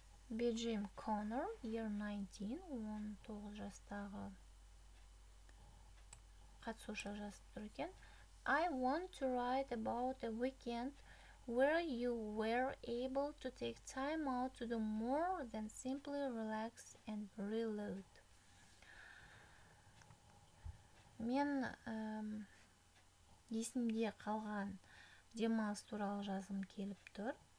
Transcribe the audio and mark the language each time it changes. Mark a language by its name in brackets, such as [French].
[Kazakh] Бейджим Коннор, year 19, 19 жастағы қатысушы жасып тұр екен. [English] I want to write about a weekend where you were able to take time out to do more than simply relax and reload. [Kazakh] Мен есімде қалған демалыс туралы жазым келіп тұр.